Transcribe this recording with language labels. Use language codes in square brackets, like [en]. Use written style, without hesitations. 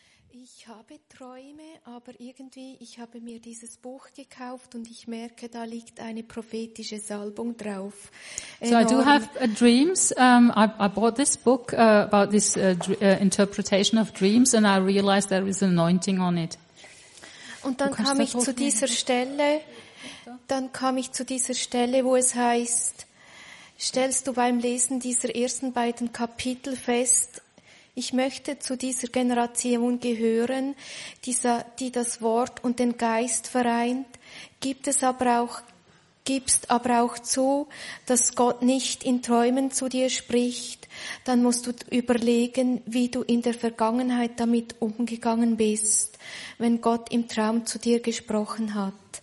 [de] ich habe Träume, aber irgendwie, ich habe mir dieses Buch gekauft und ich merke, da liegt eine prophetische Salbung drauf. Enorm. [en] So I do have dreams. I bought this book about this interpretation of dreams and I realized there is anointing on it. [de] Und dann kam ich zu dieser Stelle, wo es heißt, stellst du beim Lesen dieser ersten beiden Kapitel fest, ich möchte zu dieser Generation gehören, die das Wort und den Geist vereint, gibst aber auch zu, dass Gott nicht in Träumen zu dir spricht, dann musst du überlegen, wie du in der Vergangenheit damit umgegangen bist, wenn Gott im Traum zu dir gesprochen hat.